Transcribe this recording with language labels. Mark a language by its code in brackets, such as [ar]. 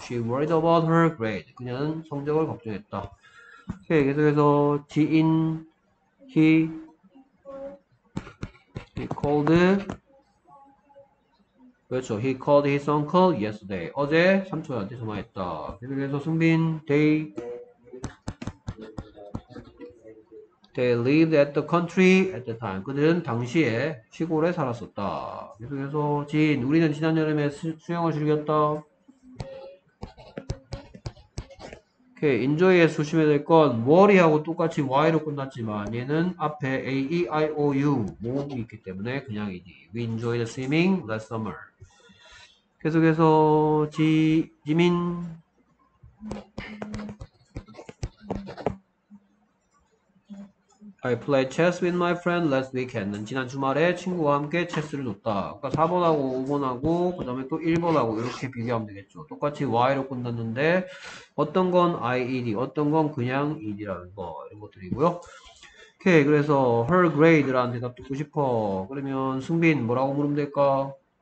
[en] She worried about her grade. [ko] 그녀는 성적을 걱정했다. 오케이, 계속해서 지인 [en] he called [ko] 그렇죠. [en] He called his uncle yesterday. [ko] 어제 삼촌한테 전화했다. 계속해서 [en] 승빈 they lived at the country at the time. [ko] 그들은 당시에 시골에 살았었다. 계속해서 지인 우리는 지난 여름에 수영을 즐겼다. 오케이, enjoy에 조심해야 될건 worry하고 똑같이 why로 끝났지만 얘는 앞에 a, e, i, o, u 모음이 있기 때문에 그냥이지. [en] We enjoyed swimming last summer. [ko] 계속해서 [en] 지민 I played chess with my friend last weekend. [ko] 지난 주말에 친구와 함께 체스를 뒀다. 아까 4번하고 5번하고 그 다음에 또 1번하고 이렇게 비교하면 되겠죠. 똑같이 Y로 끝났는데 어떤 건 IED, 어떤 건 그냥 ED라는 거 이런 것들이고요. 오케이, 그래서 her grade라는 대답 듣고 싶어. 그러면 승빈 뭐라고 물으면 될까?